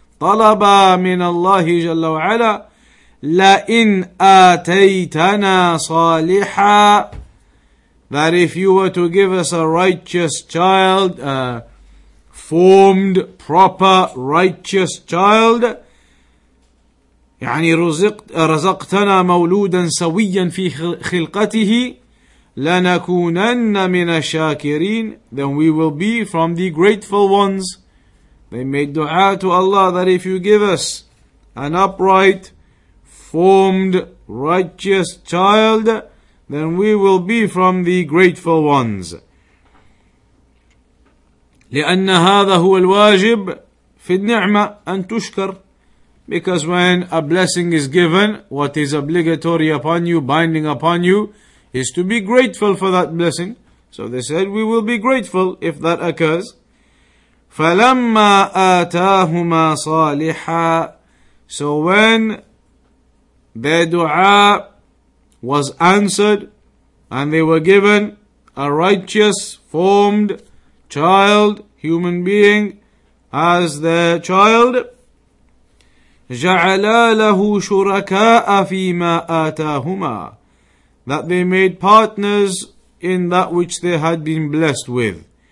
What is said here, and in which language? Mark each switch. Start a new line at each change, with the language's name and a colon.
Arabic: طَلَبَا مِنَ اللَّهِ جَلَّ وَعَلَى لَإِنْ آتَيْتَنَا صَالِحًا,
English: that if you were to give us a righteous child, a formed, proper, righteous child,
Arabic: يعني رزقتنا مولودا سويا في خلقته لنكونن من الشاكرين,
English: then we will be from the grateful ones. They made dua to Allah that if you give us an upright, formed, righteous child, then we will be from the grateful ones.
Arabic: لأن هذا هو الواجب في النعمة أن تشكر.
English: Because when a blessing is given, what is obligatory upon you, binding upon you, is to be grateful for that blessing. So they said, we will be grateful if that occurs.
Arabic: فَلَمَّا آتَاهُمَا صَالِحًا,
English: so when their dua was answered, and they were given a righteous, formed child, human being, as their child,
Arabic: جَعَلَا لَهُ شُرَكَاءَ فِي مَا آتَاهُمَا,
English: that they made partners in that which they had been blessed with.